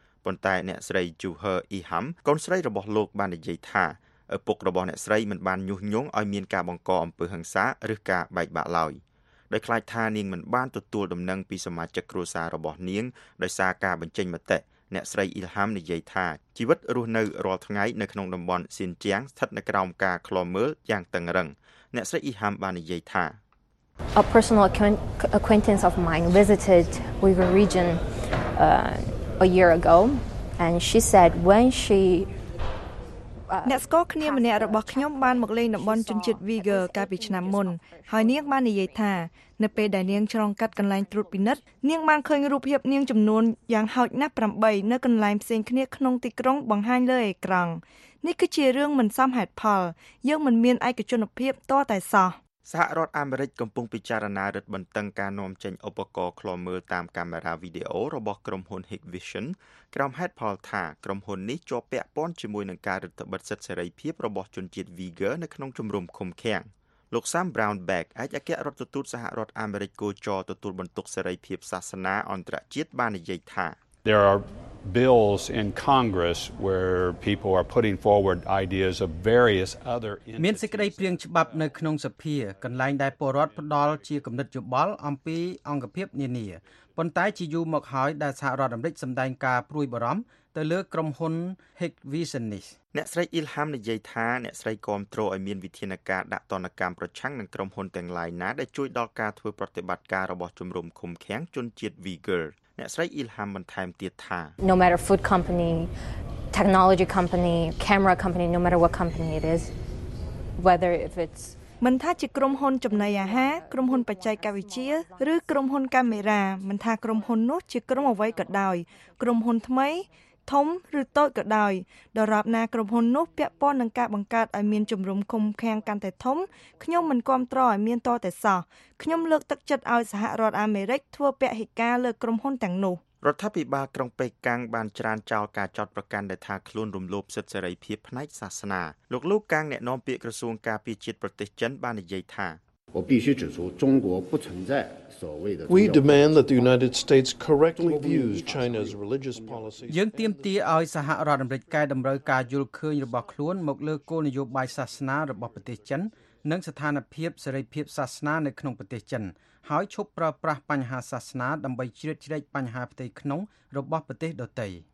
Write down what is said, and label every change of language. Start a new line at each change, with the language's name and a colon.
Khmer: ប៉ុន្តែអ្នកស្រីជូហឺអ៊ីហាំកូនស្រីរបស់លោកបាននិយាយថាឪពុករបស់អ្នកស្រីមិនបានញុះញង់ឲ្យមានការបង្កអំពើហិង្សាឬការបែកបាក់ឡើយដោយខ្លាចថានាងមិនបានទទួលដំណឹងពីសមាជិកគ្រួសាររបស់នាងដោយសារការបញ្ចេញមតិអ្នកស្រីអ៊ីលហាំនិយាយថាជីវិតរស់នៅរាល់ថ្ងៃនៅក្នុងតំបន់ស៊ិនជាងស្ថិតនៅក្រោមការឃ្លាំមើលយ៉ាងតឹងរ៉ឹងអ្នកស្រីអ៊ីហាំបាននិយាយថា
English: A personal acquaintance of mine visited Uyghur region a year ago and she said when she
Khmer: អ្នកស្គាល់គ្នាម្នាក់របស់ខ្ញុំបានមកលេងតំបន់ជនជាតិវីហ្គើកាលពីឆ្នាំមុនហើយនាងបាននិយាយថានៅពេលដែលនាងឆ្លងកាត់កន្លែងត្រួតពិនិត្យនាងបានឃើញរូបភាពនាងចំនួនយ៉ាងហោចណាស់8នៅកន្លែងផ្សេងគ្នាក្នុងទីក្រុងបង្ហាញលើអេក្រង់នេះគឺជារឿងមិនសមហេតុផលយើងមិនមានឯកជនភាពតតែសោះ សហរដ្ឋអាមេរិកកំពុងពិចារណារឹតបន្តឹងការនាំចេញឧបករណ៍ឃ្លាំមើលតាមកាមេរ៉ាវីដេអូរបស់ក្រុមហ៊ុន Hikvision ក្រុមហេតផលថាក្រុមហ៊ុននេះជាប់ពាក់ព័ន្ធជាមួយនឹងការរឹតបន្តឹងសិទ្ធិសេរីភាពរបស់ជនជាតិ Uyghur នៅក្នុងជំរំឃុំឃាំងលោក Sam Brownback អគ្គរដ្ឋទូតសហរដ្ឋអាមេរិកគូចរទទួលបន្ទុកសេរីភាពសាសនាអន្តរជាតិបាននិយាយថា
English: There are bills in Congress where people are putting forward ideas of various other
Khmer: មានសេចក្តីព្រៀងច្បាប់នៅក្នុងសភាកន្លែងដែលពលរដ្ឋផ្ដល់ជាគំនិតយោបល់អំពីអង្គភាពនានាប៉ុន្តែជាយូរមកហើយដែលសហរដ្ឋអាមេរិកសម្ដែងការព្រួយបារម្ភទៅលើក្រុមហ៊ុន Hikvision នេះ អ្នកស្រីអ៊ីលហាំនិយាយថាអ្នកស្រីគ្រប់គ្រងឲ្យមានវិធានការដាក់ទណ្ឌកម្មប្រឆាំងនឹងក្រុមហ៊ុនទាំងឡាយណាដែលជួយដល់ការធ្វើប្រតិបត្តិការរបស់ជំរុំឃុំឃាំងជនជាតិ Uyghur អ្នកស្រីអ៊ីលហាំបន្ថែមទៀតថា
English: No matter food company, technology company, camera company, no matter what company it is, whether if it's
Khmer: មិនថាជាក្រុមហ៊ុនចំណីអាហារក្រុមហ៊ុនបច្ចេកវិទ្យាឬក្រុមហ៊ុនកាមេរ៉ាមិនថាក្រុមហ៊ុននោះជាក្រុមអ្វីក៏ដោយក្រុមហ៊ុនថ្មីធំឬតូចក៏ដោយដរាបណាក្រុមហ៊ុននោះពាក់ព័ន្ធនឹងការបង្កើតឲ្យមានជំរំឃុំឃាំងកាន់តែធំខ្ញុំមិនគាំទ្រឲ្យមានតតែសោះខ្ញុំលើកទឹកចិត្តឲ្យសហរដ្ឋអាមេរិកធ្វើពហិការលើក្រុមហ៊ុនទាំងនោះ រដ្ឋាភិបាលក្រុងប៉េកាំងបានច្រានចោលការចោទប្រកាន់ដែលថាខ្លួនរំលោភសិទ្ធិសេរីភាពផ្នែកសាសនាលោកលូកាងអ្នកនាំពាក្យក្រសួងការពារជាតិប្រទេសចិនបាននិយាយថា
Chinese: 我必须指出中国不存在所谓的
English: We demand that the United States correctly views China's religious policy
Khmer: យើងទាមទារឲ្យសហរដ្ឋអាមេរិកកែតម្រូវការយល់ឃើញរបស់ខ្លួនមកលើគោលនយោបាយសាសនារបស់ប្រទេសចិននិងស្ថានភាពសេរីភាពសាសនានៅក្នុងប្រទេសចិនហើយឈប់ប្រើប្រាស់បញ្ហាសាសនាដើម្បីជ្រៀតជ្រែកបញ្ហាផ្ទៃក្នុងរបស់ប្រទេសដទៃ